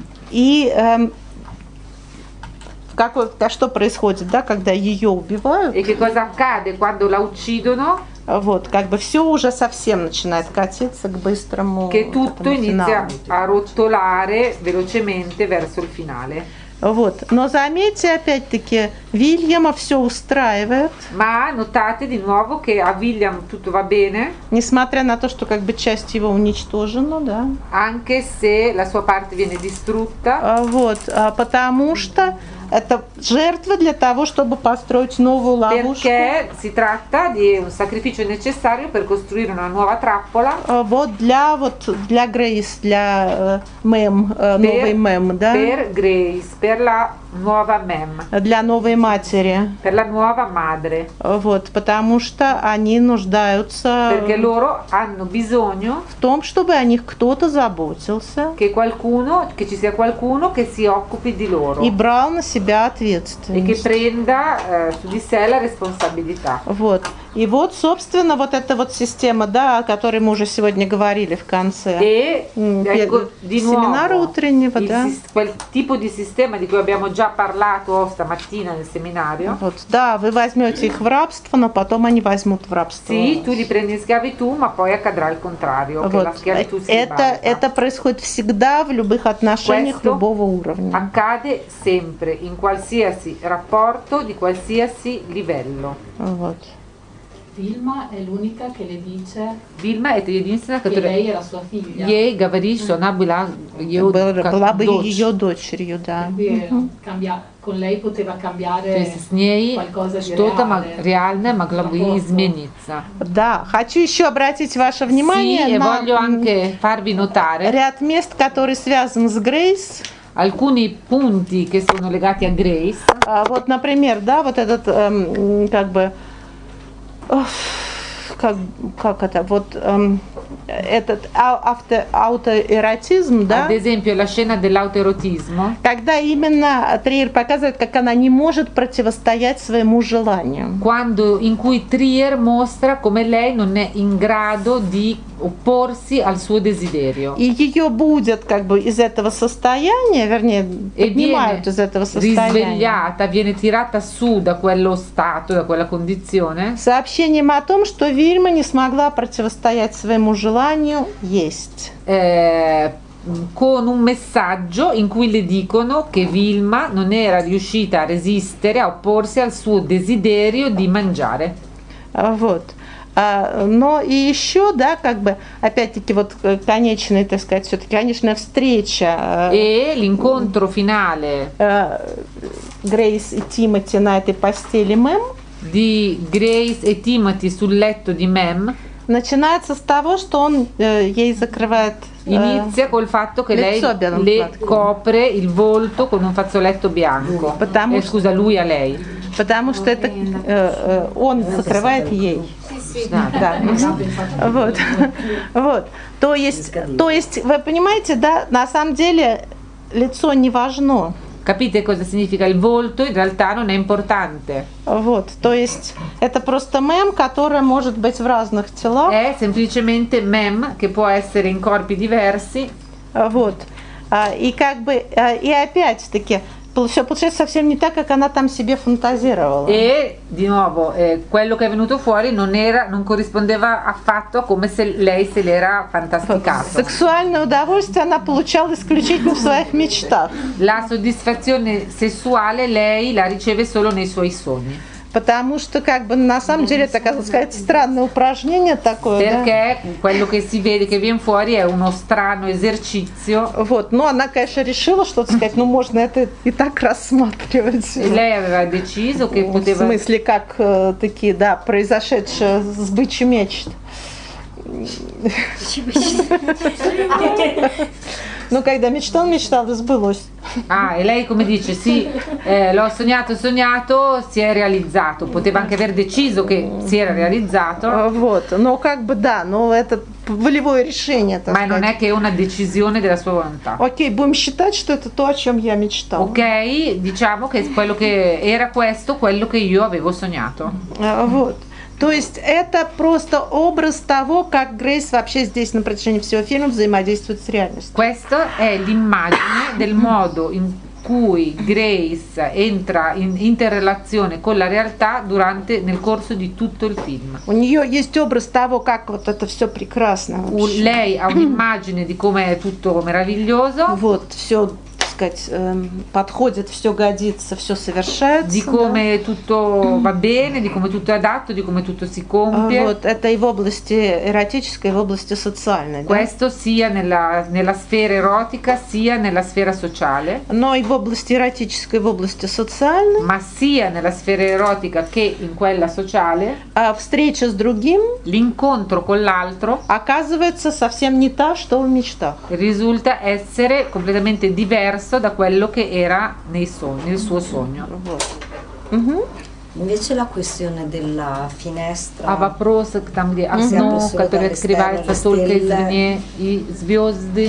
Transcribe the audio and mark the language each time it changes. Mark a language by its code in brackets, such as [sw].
[ru] И как вот, что происходит, да, когда ее убивают? [it] E che cosa accade quando la uccidono? [ru] Вот, как бы все уже совсем начинает катиться к быстрому [it] che tutto inizia a rotolare velocemente verso il finale. [ru] Вот, но заметьте опять-таки, Вильяма все устраивает. [it] Ma notate di nuovo che a William tutto va bene. [ru] Несмотря на то, что как бы часть его уничтожена, да. [it] Anche se la sua parte viene distrutta. [ru] Вот, потому что это жертва для того, чтобы построить новую ловушку. [it] Perché si tratta di un sacrificio necessario per costruire una nuova trappola. [ru] Вот для вот для Грейс, для мэм, новой мэм, да? [it] Per Grace, per la nuova mem. [ru] Для новой матери. [it] Per la nuova madre. [ru] Вот, потому что они нуждаются. [it] Perché loro hanno bisogno. [ru] В том, чтобы о них кто-то заботился. [it] Che qualcuno, che ci sia qualcuno che si occupi di loro. [ru] И брал на себя ответственность. [it] E che prenda su di sé la responsabilità. [ru] Вот. И вот, собственно, вот эта вот система, да, о которой мы уже сегодня говорили в конце. [it] E, di nuovo, [ru] семинара утреннего, да? [it] Quel tipo di sistema di cui abbiamo già parlato stamattina nel seminario. [ru] Вот, да, вы возьмете их в рабство, но потом они возьмут в рабство. [it] Sì, tu li prendi in schiavitù, ma poi accadrà il contrario, вот, che la schiavitù si ribalta. [ru] Это происходит всегда в любых отношениях [it] questo [ru] любого уровня. [it] Accade sempre in qualsiasi rapporto di qualsiasi livello. [ru] Вот. Вильма это единственная, которая ей говорит, что она была, была бы ее дочерью, да. То есть с ней что-то реальное могло бы измениться. Да, хочу еще обратить ваше внимание на ряд мест, которые связаны с Грейс. [it] Alcuni punti, che sono legati a Грейс. [ru] Вот, например, да, вот этот, как бы, как это, вот этот аутоэротизм, да? [it] Ad esempio, la scena dell'autoerotismo. [ru] Когда именно Триер показывает, как она не может противостоять своему желанию. [it] Quando, in cui Триер mostra come lei non è in grado di opporsi al suo desiderio. [ru] И ее будет как бы из этого состояния, вернее, [it] e [ru] поднимают из этого состояния. [it] Risvegliata, viene tirata su da quello stato, da quella condizione. [ru] Сообщением о том, что Вильма не смогла противостоять своему желанию есть. [it] Con un messaggio in cui le dicono che Вильма non era riuscita a resistere, a opporsi al suo desiderio di mangiare. [ru] Вот. Но и еще, да, как бы, опять-таки, вот конечная, так сказать, все-таки конечная встреча. [it] И l'incontro finale. [ru] Грейс и Тимоти на этой постели мэм. [it] Di Grace e Timothy sul letto di мэм. [ru] Начинается с того, что он ей закрывает. [it] Inizia col fatto che lei le copre il volto con un fazzoletto bianco. [ru] Потому [it] e scusa, lui a lei. [ru] Потому что это он закрывает ей. Да, вот, вот. То есть, вы понимаете, да? На самом деле лицо не важно. [it] Capite cosa significa il volto? In realtà non è importante. [ru] Вот, то есть это просто мем, которая может быть в разных телах. [it] È semplicemente мем, che può essere in corpi diversi. [ru] Вот, и как бы, и опять таки. все получается совсем не так, как она там себе фантазировала. [it] E di nuovo, quello che è venuto fuori non era, non corrispondeva affatto come se lei se l'era fantasticato. [ru] Сексуальное удовольствие она получала исключительно в своих мечтах. [it] La soddisfazione sessuale lei la riceve solo nei suoi sogni. [ru] Потому что как бы на самом деле это, как сказать, странное упражнение такое. [it] Perché quello che si vede che viene fuori è uno strano esercizio. [ru] Вот, ну она, конечно, решила, что сказать, ну можно это и так рассматривать. [it] Lei aveva deciso che poteva. [ru] В смысле, как такие, да, произошедшие сбычи мечт. Ну, когда мечтал, мечтал, сбылось. [it] А, и lei, come dice, sì, l'ho sognato, sognato, si è realizzato. Poteva anche aver deciso che si era realizzato. [ru] Вот, ну, как бы, да, ну, это волевое решение, так сказать. [it] Ma non è che è una decisione della sua volontà. [ru] Окей, будем считать, что это то, о чем я мечтал. [it] Окей, diciamo che quello che era questo, quello che io avevo sognato. [ru] Вот. То есть это просто образ того, как Грейс вообще здесь на протяжении всего фильма взаимодействует с реальностью. [it] Questo è l'immagine del modo in cui Grace entra in interrelazione con la realtà durante nel corso di tutto il film. [ru] У нее есть образ того, как вот это все прекрасно. [it] У lei ha un'immagine di come è tutto meraviglioso. [ru] Вот все. Подходит, все годится, все совершается. [it] Di come tutto va bene, di come tutto è adatto, di come tutto si compie. [ru] Вот, это и в области эротической, и в области социальной. [it] Questo sia nella sfera erotica, sia nella sfera sociale. [ru] Но и в области эротической, и в области социальной. [it] Ma sia nella sfera erotica che in quella sociale. [ru] А встреча с другим. [it] L'incontro con l'altro. [ru] Оказывается совсем не та, что в мечтах. [it] Risulta essere completamente diversa da quello che era nei sogni, nel suo sogno. Invece la questione della finestra. Ava prosek tam gdje asno katore skrivaetsya tolko iz nye i zvyozdy.